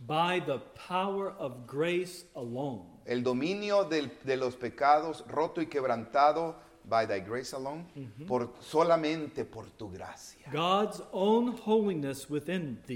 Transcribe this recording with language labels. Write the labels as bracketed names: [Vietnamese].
[English] By the power of grace alone. [Spanish] El dominio de los pecados roto y quebrantado. [English] By thy grace alone, mm-hmm. [Spanish] Solamente por tu gracia. [English] God's own holiness within thee.